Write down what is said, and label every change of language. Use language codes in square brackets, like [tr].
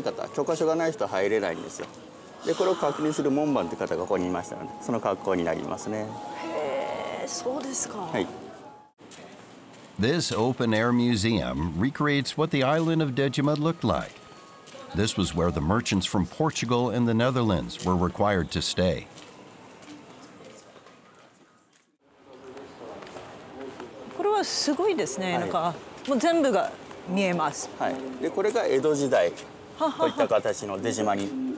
[ja] こんにちは。あの、私はガイドお願いしたあの、コリンです。はい。お待ちしておりました。ご案内していきます。はい、ありがとうございます。こういう格好はあの、何ですか?かっこいいですね。これ門番ですね。門番。はい。江戸時代というのは入ってこれる人って限られていたので、必ず門番といってこういった通行手形、許可書がない人は入れないんですよ。 [en] This open-air museum recreates what the island of Dejima looked like. This was where the merchants from Portugal and the Netherlands were required to stay. [ja] これはすごいですね。なんかもう全部が見えます。はい。で、これが江戸時代、こういった形の出島に。